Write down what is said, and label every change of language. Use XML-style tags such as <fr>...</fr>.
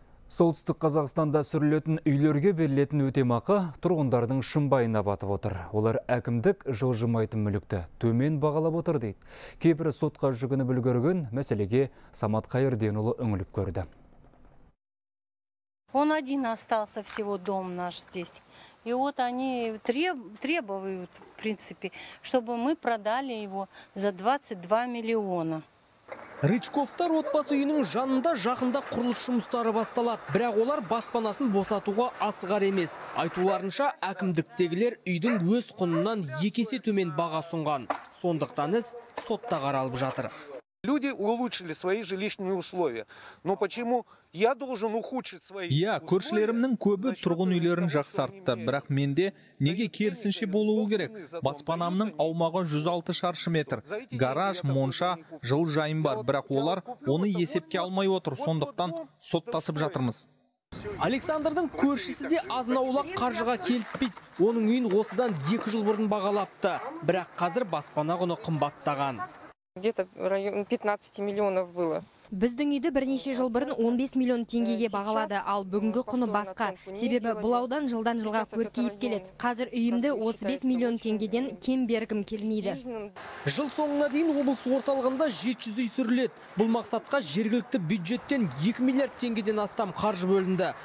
<kk>Солтүстік Қазақстанда сүрілетін үйлерге берілетін өтемақы тұрғындардың шымбайына батып отыр. Олар әкімдік жылжымайтын мүлікті төмен бағалап отыр дейді. Кейбірі сотқа жүгініп үлгерген, мәселеге Самат Қайырденұлы үңіліп көрді.</kk> <ru>Он один остался всего дом наш здесь. И вот они требуют, в принципе, чтобы мы продали его за 22 миллиона.</ru> <kk>Рычковтар отбасы үйінің жанында жақында құрылыс жұмыстары басталады. Бірақ олар баспанасын босатуға асығар емес. Айтуларынша, әкімдіктегілер үйдің өз құнынан екесе төмен баға сұнған. Сондықтан іс сотта қаралып жатыр.</kk> <ru>Люди улучшили свои жилищные условия. Но почему я должен ухудшить свои условия?</ru> <kk>Я, көршілерімнің көбі тұрғын үйлерін жақсартты, бірақ менде неге керісінше болуы керек? Баспанамның аумағы 106 шаршы метр. Гараж, монша, жыл жайым бар, бірақ олар оны есепке алмай отыр, сондықтан соттасып жатырмыз. Александрдың көршісі де азынаулақ қаржыға келіспейді. Оның үйін осыдан 2 жыл бұрын бағалапты, бірақ қазір баспана құны қымбаттаған.</kk> <ru>Где-то в районе 15 миллионов было.</ru> <kk>Біздің үйді бірнеше жыл бұрын 15 миллион теңгеге бағалады, ал бүгінгі құны басқа. Себебі бұл аудан жылдан жылға көркейіп келеді. Қазір үйімді 35 миллион теңгеден кем бергім келмейді. Жыл соңына дейін облыс орталығында 700 үй сүріледі. Бұл мақсатқа жергілікті бюджеттен 2 миллиард теңгеден астам қаржы бөлінді.</kk>